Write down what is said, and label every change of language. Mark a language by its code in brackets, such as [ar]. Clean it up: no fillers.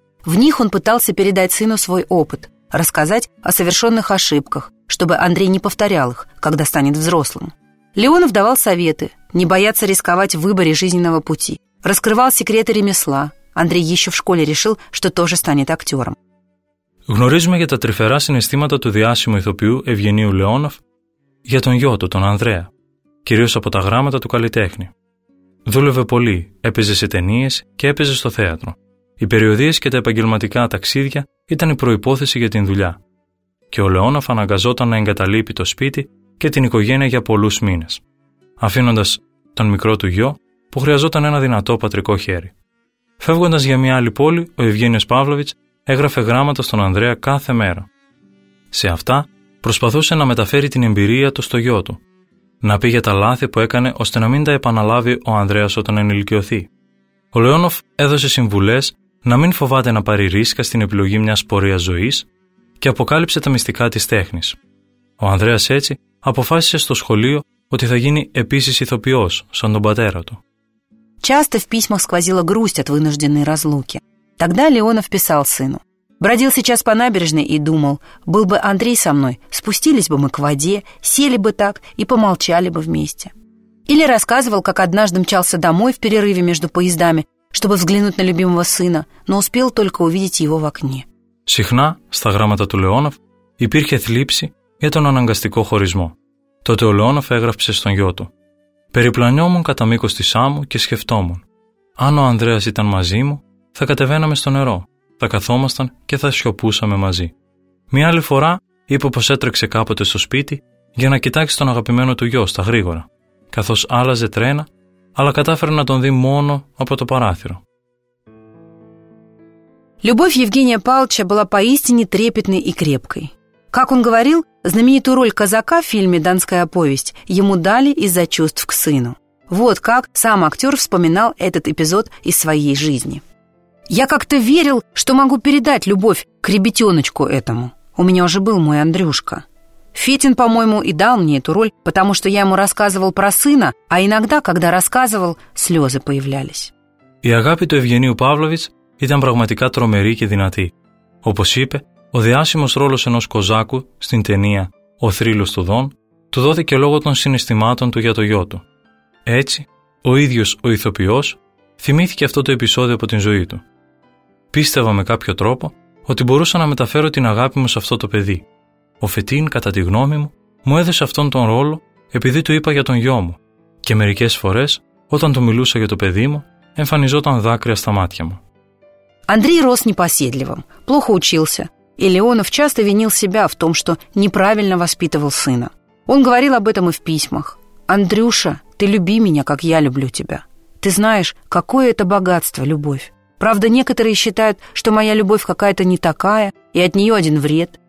[ru] В них он пытался передать сыну свой опыт, рассказать о совершенных ошибках, чтобы Андрей не повторял их, когда станет взрослым. Леонов давал советы, не бояться рисковать в выборе жизненного пути. Раскрывал секреты ремесла. Андрей еще в школе решил, что тоже станет актером. [el] Γνωρίζουμε για τα τρυφερά συναισθήματα του διάσημου ηθοποιού Ευγενίου Λεόνοφ για τον γιο του, τον Ανδρέα, κυρίως από τα γράμματα του καλλιτέχνη. Δούλευε πολύ, έπαιζε σε ταινίες και έπαιζε στο θέατρο. Οι περιοδίες και τα επαγγελματικά ταξίδια ήταν η προϋπόθεση για την δουλειά. Και ο Λεόνοφ αναγκαζόταν να εγκαταλείπει το σπίτι και την οικογένεια για πολλούς μήνες, αφήνοντας τον μικρό του γιο που χρειαζόταν ένα δυνατό πατρικό χέρι. Φεύγοντας για μια άλλη πόλη, ο Ευγένιος Παύλοβιτς έγραφε γράμματα στον Ανδρέα κάθε μέρα. Σε αυτά προσπαθούσε να μεταφέρει την εμπειρία του στο γιο του, να πει για τα λάθη που έκανε ώστε να μην τα επαναλάβει ο Ανδρέας όταν ενηλικιωθεί. Ο Λεόνοφ έδωσε συμβουλές να μην φοβάται να πάρει ρίσκα στην επιλογή μιας πορείας ζωής και αποκάλυψε τα μυστικά της τέχνης. Ο Ανδρέας έτσι αποφάσισε στο σχολείο ότι θα γίνει επίσης ηθοποιός, σαν τον πατέρα του. [ru] Часто в письмах сквозила грусть от вынужденной разлуки. Тогда Леонов писал сыну. Бродил сейчас по набережной и думал, был бы Андрей со мной, спустились бы мы к воде, сели бы так и помолчали бы вместе. Или рассказывал, как однажды мчался домой в перерыве между поездами, чтобы взглянуть на любимого сына, но успел только увидеть его в окне. [el] Συχνά, στα γράμματα του Λεόνοφ, υπήρχε θλίψη για τον αναγκαστικό χωρισμό. Τότε ο Λεόνοφ έγραψε στον γιο του. «Περιπλανιόμουν κατά μήκος της Σάμου και σκεφτόμουν. Αν ο Ανδρέας ήταν μαζί μου, θα κατεβαίναμε στο νερό, θα καθόμασταν και θα σιωπούσαμε μαζί». Μια άλλη φορά είπε πως έτρεξε κάποτε στο σπίτι για να κοιτάξει τον αγαπημένο του γιο στα γρήγορα, καθώς άλλαζε τρένα, αλλά κατάφερε να τον δει μόνο από το παράθυρο. [ru] Любовь Евгения Павловича была поистине трепетной и крепкой. Как он говорил, знаменитую роль казака в фильме «Донская повесть» ему дали из-за чувств к сыну. Вот как сам актер вспоминал этот эпизод из своей жизни. «Я как-то верил, что могу передать любовь к ребятеночку этому. У меня уже был мой Андрюшка. Фетин, по-моему, и дал мне эту роль, потому что я ему рассказывал про сына, а иногда, когда рассказывал, слезы появлялись». [el] Η αγάπη του Ευγενίου Παύλοβιτς ήταν πραγματικά τρομερή και δυνατή. Όπως είπε, ο διάσημος ρόλος ενός κοζάκου στην ταινία «Ο θρύλος του Δον» του δόθηκε λόγω των συναισθημάτων του για το γιο του. Έτσι, ο ίδιος ο ηθοποιός θυμήθηκε αυτό το επεισόδιο από την ζωή του. «Πίστευα με κάποιο τρόπο ότι μπορούσα να μεταφέρω την αγάπη μου σε αυτό το παιδί. Ο Φετίν, κατά τη γνώμη μου, μου έδωσε αυτόν τον ρόλο επειδή του είπα για τον γιο μου και μερικές φορές, όταν του μιλούσα για το παιδί μου, εμφανιζόταν δάκρυα στα μάτια μου». [ru] Андрей рос непоседливым, плохо учился, и Леонов часто винил себя в том, что неправильно воспитывал сына. Он говорил об этом и в письмах. «Андрюша, ты люби меня, как я люблю тебя. Ты знаешь, какое это богатство, любовь. Правда, некоторые считают, что моя любовь какая-то не такая, и от нее один вред.